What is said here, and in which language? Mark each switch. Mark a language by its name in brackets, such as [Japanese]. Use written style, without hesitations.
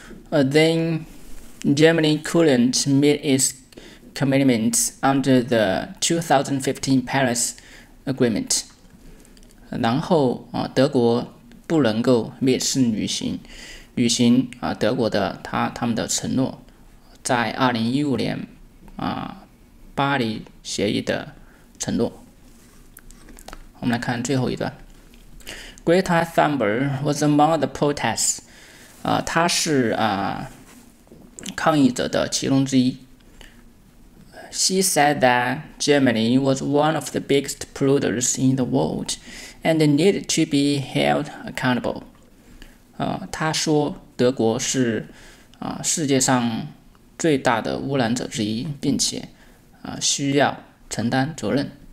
[English] Then Germany couldn't meet itscommitments under the 2015 Paris Agreement. [Chinese] 然后、德国不能够蔑视履行、德国的 他们的承诺，在2015年、巴黎协议的承诺。我们来看最后一段。 [English] Greta Thunberg was among the protests.、 [Chinese] 他是、抗议者的其中之一。 [English] She said that Germany was one of the biggest polluters in the world and need to be held accountable。 [Chinese] 他说德国是世界上最大的污染者之一，并且需要承担责任。